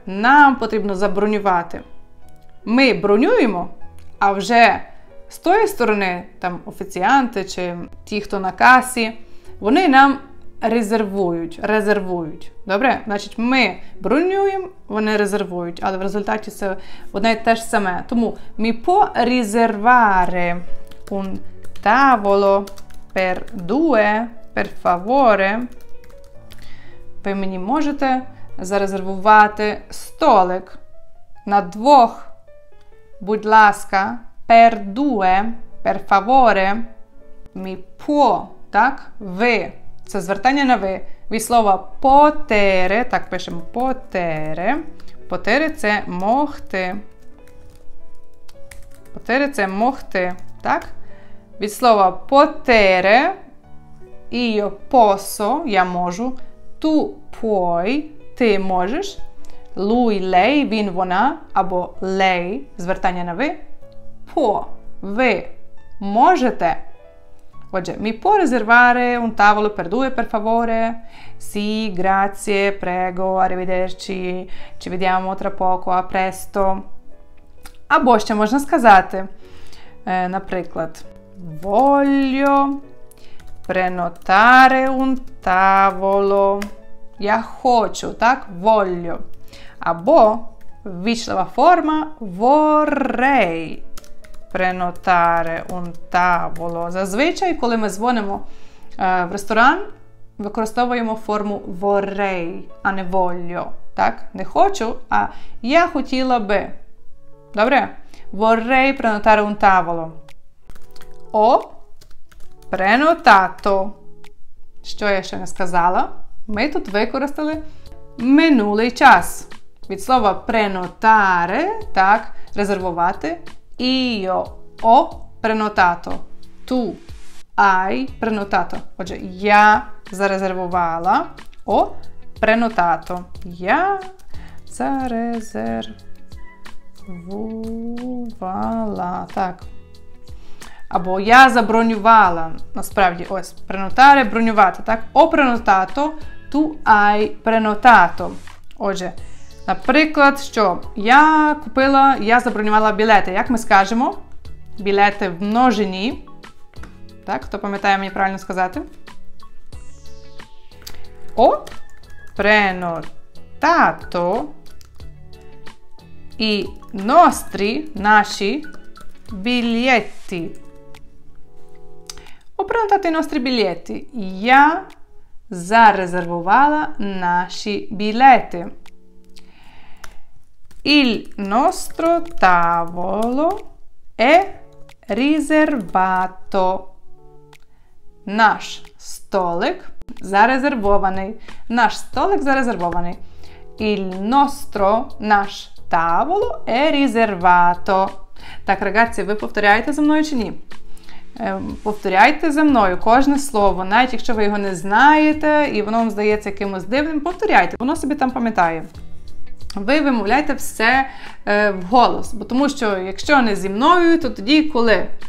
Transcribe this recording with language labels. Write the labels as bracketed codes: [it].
[uk] Нам потрібно забронювати. Ми бронюємо, а вже з тої сторони, там офіціанти чи ті, хто на касі, вони нам резервують. Добре? Значить, ми бронюємо, вони резервують. Але в результаті це одне і те ж саме. Тому [it] mi può riservare un tavolo per due, per favore. [uk] Ви мені можете зарезервувати столик на двох, будь ласка, [it] per due, per favore. Mi può, [uk] так? Ви. Це звертання на ви. Від слова потере, так пишемо потере. Потере це могти, так? Від слова потере, [it] io posso, [uk] я можу, [it] tu puoi, [uk] ти можеш, [it] lui, lei, [uk] він, вона, або lei, звертання на ви, [it] può, [uk] ви можете. Отже, [it] mi può riservare un tavolo per due, per favore? Sì, grazie, prego, arrivederci, ci vediamo tra poco, a presto. [uk] Або ще можна сказати, наприклад, [it] voglio prenotare un tavolo. [uk] Я хочу, так? Voglio. Або ввічлива форма [it] vorrei prenotare un tavolo. [uk] Зазвичай, коли ми дзвонимо в ресторан, використовуємо форму vorrei, а не voglio. Так? Не хочу, а я хотіла би. Добре? [it] Vorrei prenotare un tavolo. Ho prenotato. [uk] Що я ще не сказала? Ми тут використали минулий час. Від слова [it] prenotare, [uk] так, резервувати, [it] io ho prenotato, tu hai prenotato. [uk] Отже, я зарезервувала, [it] ho prenotato. [uk] Я зарезервувала, так. Або я забронювала, насправді, ось, prenotare, бронювати, так. [it] Ho prenotato, tu hai prenotato. [uk] Отже, наприклад, що я забронювала білети. Як ми скажемо? Білети в множині. Так, хто пам'ятає мені правильно сказати? [it] Ho prenotato i nostri, [uk] наші, [it] biglietti. Ho prenotato i nostri biglietti. [uk] Я зарезервувала наші білети. [it] Il nostro tavolo è riservato. [uk] Наш столик зарезервований. Наш столик зарезервований. [it] Il nostro, [uk] наш [it] tavolo è riservato. [uk] Так, ragazzi, ви повторяєте за мною чи ні? Повторяйте за мною кожне слово, навіть якщо ви його не знаєте і воно вам здається якимось дивним, повторяйте, воно собі там пам'ятає. Ви вимовляйте все в голос, бо тому що якщо не зі мною, то тоді коли?